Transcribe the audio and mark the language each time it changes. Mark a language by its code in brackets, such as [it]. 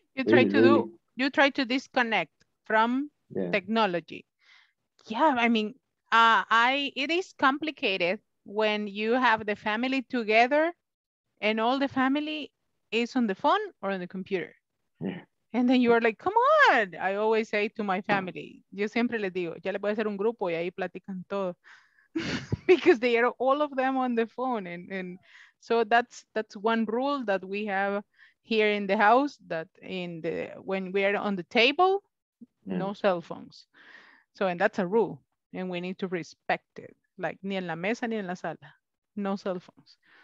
[en] You try to disconnect from technology. Yeah, I mean, it is complicated when you have the family together and all the family is on the phone or on the computer. Yeah. And then you are like, come on. I always say to my family, [es] yo siempre les digo, ya le voy a hacer un grupo y ahí platican todo. [en] Because they are all of them on the phone. And so that's one rule that we have here in the house, that when we are on the table, no cell phones. So, and that's a rule. And we need to respect it. Like, [es] ni en la mesa, ni en la sala. [en] No cell phones.